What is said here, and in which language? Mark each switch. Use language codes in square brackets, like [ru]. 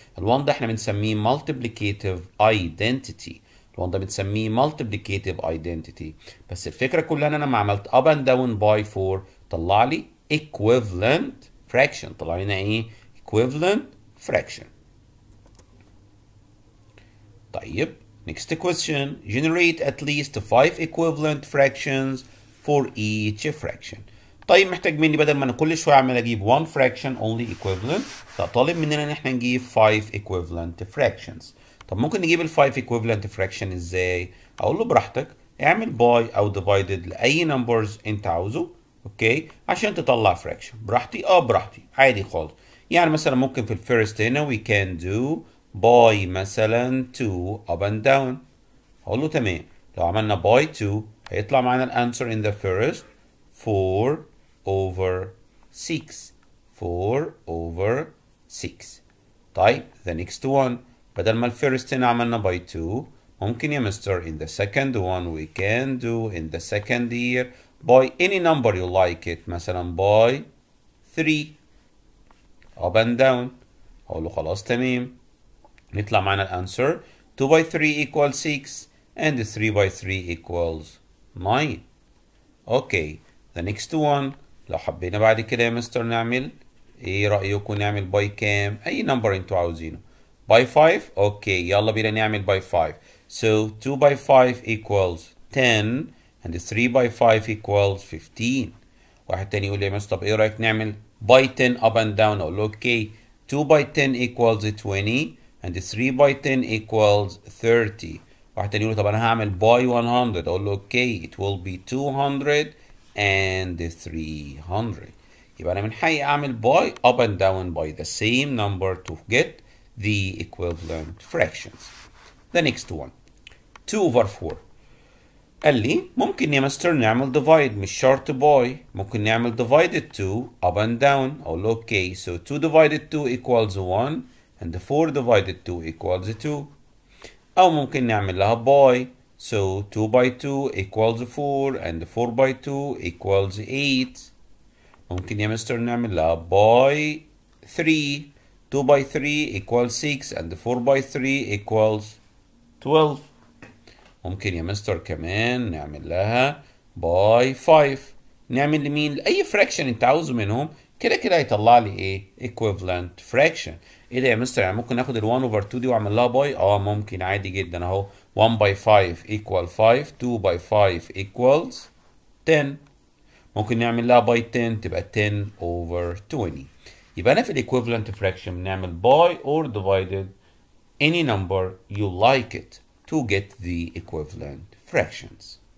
[ar] الوان ده احنا بنسميه multiplicative identity. الوان ده بنسميه multiplicative identity. بس الفكره كلها ان انا ما عملت [en] up and down by 4 [ar] طلع لي equivalent fraction. طلع لنا ايه؟ equivalent fraction. [en] طيب next question, generate at least 5 equivalent fractions for each fraction. [ar] طيب محتاج مني بدل ما انا كل شويه اعمل اجيب [en] 1 fraction only equivalent، [ar] فطالب مننا ان احنا نجيب [en] 5 equivalent fractions. [ar] طب ممكن نجيب ال [en] 5 equivalent fraction [ar] ازاي؟ اقول له براحتك، اعمل باي او ديفايدد لاي numbers انت عاوزه، اوكي؟ عشان تطلع fraction. براحتي؟ اه براحتي، عادي خالص. يعني مثلا ممكن في الفيرست هنا [en] we can do by [ar] مثلا [en] 2 up and down. [ar] اقول له تمام، لو عملنا by 2 هيطلع معانا الانسر [en] in the first 4 over 6. 4 over 6. [ar] طيب [en] the next one، [ar] بدل ما الفيرست هنا عملنا [en] by 2، [ar] ممكن يا مستر [en] in the second one we can do in the second year by any number you like it، مثلا by 3. up and down. [ar] اقول له خلاص تمام، نطلع معنا الانسر [en] 2 by 3 equals 6 and 3 by 3 equals 9. [ar] اوكي the next one، لو حبينا بعد كده يا مستر نعمل ايه رأيكم؟ نعمل by كام؟ اي number انتوا عاوزينه. [en] by 5. [ar] اوكي يلا بينا نعمل by 5. [en] so 2 by 5 equals 10 and 3 by 5 equals 15. [ar] واحد تاني يقول لي يا مستر طب ايه رأيك نعمل [en] by 10 up and down؟ [ar] اقول له [en] Okay 2 by 10 equals 20 and 3 by 10 equals 30. [ar] واحد تاني يقول طب انا هعمل by 100، اقول له اوكي [en] it will be 200 and 300. [ar] يبقى انا من حقي اعمل [en] by up and down by the same number to get the equivalent fractions. The next one 2 over 4. [ar] قال لي ممكن يا مستر نعمل divide، مش شرط باي، ممكن نعمل [en] divided to up and down. [ar] اقول له [en] Okay so 2 divided 2 equals 1 and 4 divided 2 equals 2. [ar] او ممكن نعمل لها باي [en] so 2 by 2 equals 4 and 4 by 2 equals 8. [ar] ممكن يا مستر نعمل لها باي [en] 3 2 by 3 equals 6 and 4 by 3 equals 12. [ar] ممكن يا مستر كمان نعمل لها باي 5. نعمل لمين؟ لأي فراكشن انت عاوزه منهم، كده كده هيطلع لي ايه؟ equivalent fraction. ايه ده يا مستر؟ يعني ممكن ناخد ال 1 over 2 دي واعمل لها باي؟ اه ممكن عادي جدا اهو. [en] 1 by 5 equal 5، 2 by 5 equals 10. [ar] ممكن نعمل لها باي 10 تبقى 10 over 20. يبقى انا في ال [en] equivalent fraction [ar] نعمل باي [en] or divided any number you like it to get the equivalent fractions.